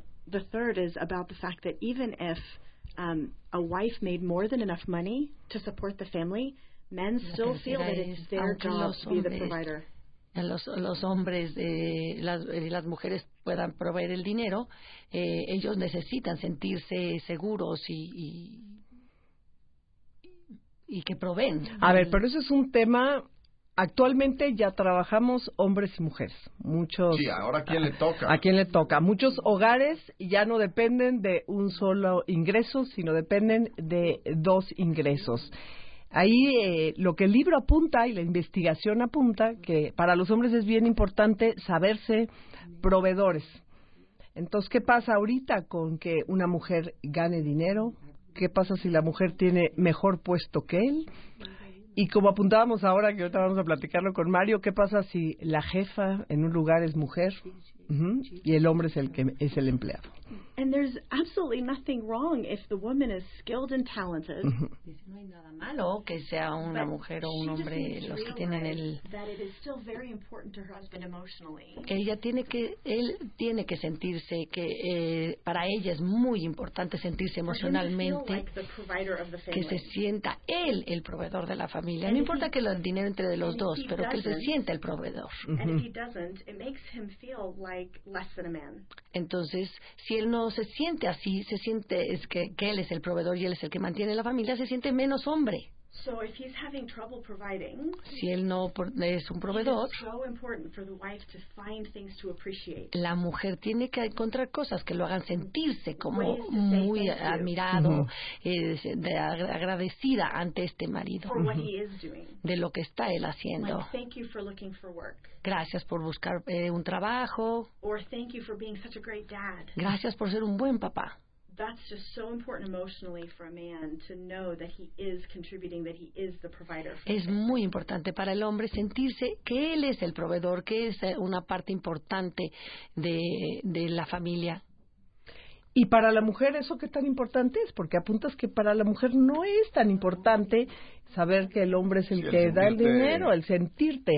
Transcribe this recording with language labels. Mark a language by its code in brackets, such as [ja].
[en] The third is about the fact that even if a wife made more than enough money to support the family, men still feel that it's their job to be the provider. [es] Los hombres, las mujeres puedan proveer el dinero, ellos necesitan sentirse seguros y que proveen. A ver, pero eso es un tema. Actualmente ya trabajamos hombres y mujeres. Muchos. Sí, ahora ¿a quién le toca? ¿A quién le toca? Muchos hogares ya no dependen de un solo ingreso, sino dependen de 2 ingresos. ahí lo que el libro apunta y la investigación apunta, que para los hombres es bien importante saberse proveedores. Entonces, ¿qué pasa ahorita con que una mujer gane dinero? ¿Qué pasa si la mujer tiene mejor puesto que él? Y como apuntábamos ahora, que ahorita vamos a platicarlo con Mario, ¿qué pasa si la jefa en un lugar es mujer y el hombre es el empleado? [en] And there's absolutely nothing wrong if the woman is skilled and talented. [es] No hay nada malo que sea una mujer o un hombre los que tienen el. [en] That it is still very important to her husband emotionally. [es] Que ella tiene que, él tiene que sentirse que para ella es muy importante sentirse emocionalmente. Que se sienta él el proveedor de la familia. No importa que el dinero entre de los dos, pero que él se sienta el proveedor. [en] And if he doesn't, it makes him feel like less than a man. [es] Entonces, si él no se siente así, se siente es que él es el proveedor y él es el que mantiene la familia, se siente menos hombre. [en] So if he's having trouble providing, [es] si él no es un proveedor, [en] it is so important for the wife to find things to appreciate. [es] La mujer tiene que encontrar cosas que lo hagan sentirse como muy admirado, agradecida ante este marido, [en] for what he is doing. [es] De lo que está él haciendo. [en] Like, thank you for looking for work. [es] Gracias por buscar un trabajo. [en] Or thank you for being such a great dad. [es] Gracias por ser un buen papá. [en] That's just so important emotionally for a man to know that he is contributing, that he is the provider. [es] Es muy importante para el hombre sentirse que él es el proveedor, que es una parte importante de la familia. Y para la mujer, ¿eso qué tan importante es? Porque apuntas que para la mujer no es tan importante saber que el hombre es el que da el dinero, el sentirte.